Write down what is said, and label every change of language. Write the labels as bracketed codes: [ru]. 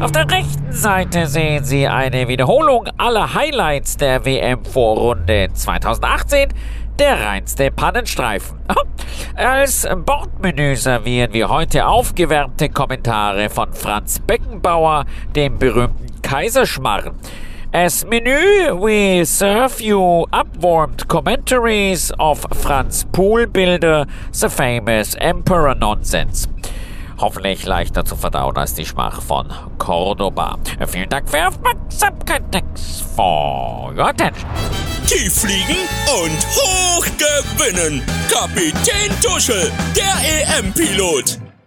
[de] Auf der rechten Seite sehen Sie eine Wiederholung aller Highlights der WM-Vorrunde 2018. Der reinste Pannenstreifen. Als Bordmenü servieren wir heute aufgewärmte Kommentare von Franz Beckenbauer, dem berühmten Kaiserschmarrn. [en] As Menü, we serve you upwarmed commentaries of Franz Poolbilder, the famous Emperor Nonsense. [de] Hoffentlich leichter zu verdauen als die Schmach von Cordoba. Vielen Dank für Aufmerksamkeit. [en] Thanks for your attention. [de] Tief fliegen und hoch gewinnen. Kapitän Tuschel, der EM-Pilot.